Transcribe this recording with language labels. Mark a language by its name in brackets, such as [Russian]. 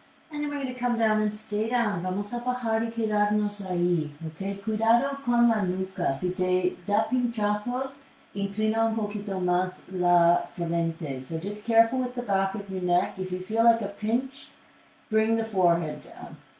[English] And then we're going to come down and stay down. [Spanish] Vamos a bajar y quedarnos ahí. Okay? Cuidado con la nuca. Si te da pinchazos, inclina un poquito más la frente. [English] So just careful with the back of your neck. If you feel like a pinch, bring the forehead down.